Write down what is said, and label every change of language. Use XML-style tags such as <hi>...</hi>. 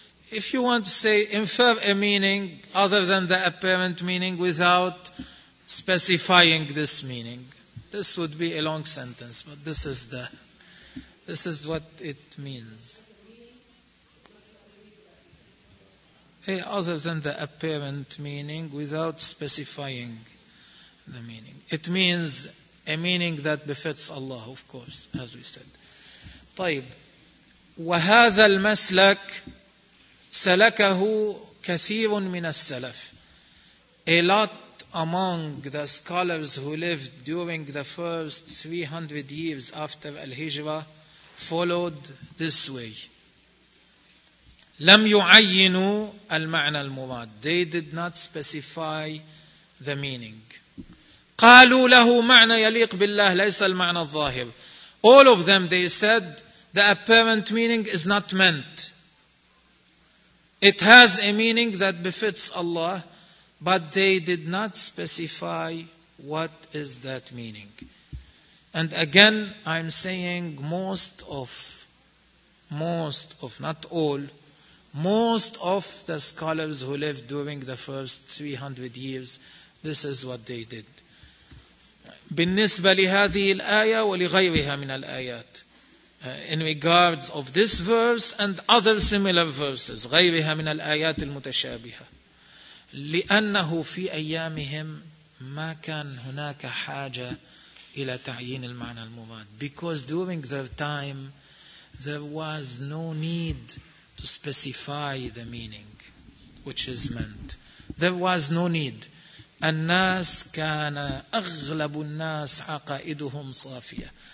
<en>If you want to say infer a meaning other than the apparent meaning without specifying this meaning, this would be a long sentence, but this is what it means. Hey, other than the apparent meaning without specifying the meaning. It means a meaning that befits Allah, of course, as we said.</en> <ar>طيب. وهذا المسلك سلكه كثير من السلف.</ar> <en>A lot among the scholars who lived during the first 300 years after Al-Hijrah followed this way.</en> <ar>لم يعينوا المعنى المراد.</ar> <en>They did not specify the meaning.</en> <ar>قالوا له معنى يليق بالله ليس المعنى الظاهر.</ar> <en>All of them, they said, the apparent meaning is not meant. It has a meaning that befits Allah, but they did not specify what is that meaning. And again, I'm saying most of most of, not all, most of the scholars who lived during the first 300 years, this is what they did.</en> <ar>بالنسبة لهذه الآية ولغيرها من الآيات.</ar> <en>In regards of this verse and other similar verses,</en> <ar>غيرها من الآيات المتشابهة. لأنه في أيامهم ما كان هناك حاجة إلى تعيين المعنى المراد.</ar> <en>Because during their time, there was no need to specify the meaning which is meant. There was no need.</en> <ar>الناس كان أغلب الناس عقائدهم صافية.</ar>